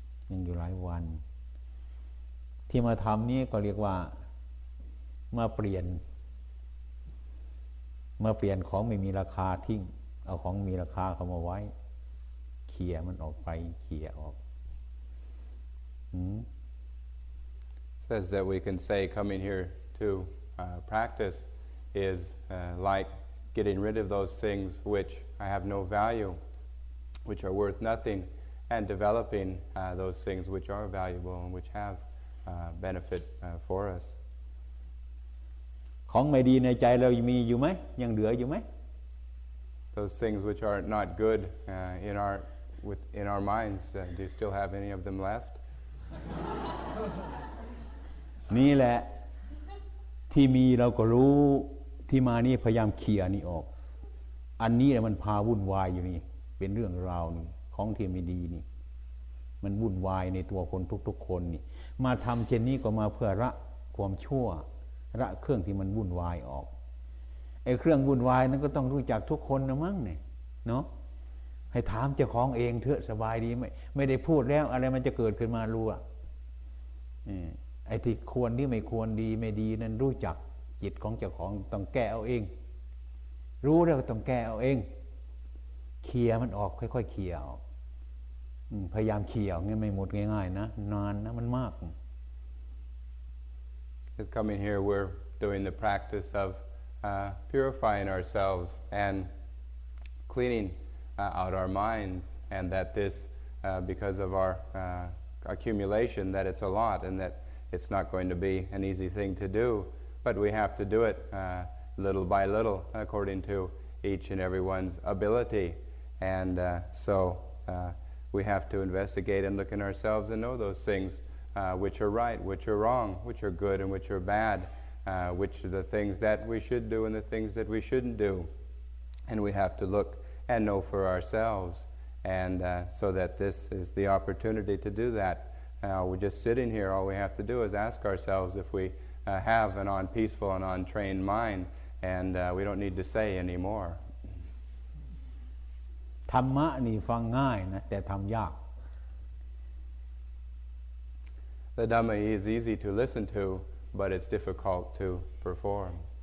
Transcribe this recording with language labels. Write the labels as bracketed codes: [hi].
[th] ยังอยู่หลายวันที่มาทำนี่ก็เรียกว่ามาเปลี่ยนของไม่มีราคาทิ้งเอาของมีราคาเข้ามาไว้เคลียร์มันออกไปเคลียร์ออก [en] says that we can say coming here to practice is like getting rid of those things which I have no value which are worth nothing and developing those things which are valuable and which have benefit for us [th] ของไม่ดีในใจเรามีอยู่ไหมยังเหลืออยู่ไหม [en] those things which are not good in our within our minds do you still have any of them left [th] นี่แหละที่มีเราก็รู้ที่มานี่พยายามเคลียร์นี่ออกอันนี้แหละมันพาวุ่นวายอยู่นี่เป็นเรื่องราวนี่ของที่ไม่ดีนี่มันวุ่นวายในตัวคนทุกๆคนนี่มาทําเช่นนี้ก็มาเพื่อละความชั่วละเครื่องที่มันวุ่นวายออกไอ้เครื่องวุ่นวายนั้นก็ต้องรู้จักทุกคนนะมั้งเนี่ยเนาะให้ถามเจ้าของเองเถอะสบายดีไม่ได้พูดแล้วอะไรมันจะเกิดขึ้นมารู้อ่ะ ไอ้ที่ควรหรือไม่ควรดีไม่ดีนั้นรู้จักจิตของเจ้าของต้องแก้เอาเองรู้แล้วก็ต้องแก้เอาเองเคลียร์มันออกค่อยๆเคลียร์พยายามเคลียร์งี้ไม่หมดง่ายๆนะนานนะมันมาก [en] Is coming here we're doing the practice of purifying ourselves and cleaning out our minds and that this because of our accumulation that it's a lot and that it's not going to be an easy thing to do but we have to do it little by little according to each and everyone's ability and so we have to investigate and look in ourselves and know those thingswhich are right, which are wrong, which are good and which are bad, which are the things that we should do and the things that we shouldn't do. And we have to look and know for ourselves. And so that this is the opportunity to do that. We're just sitting here, all we have to do is ask ourselves if we have an unpeaceful and untrained mind, and we don't need to say any more. [th] ธรรมะนี่ฟังง่ายนะแต่ทำยาก [en] The Dhamma is easy to listen to, but it's difficult to perform.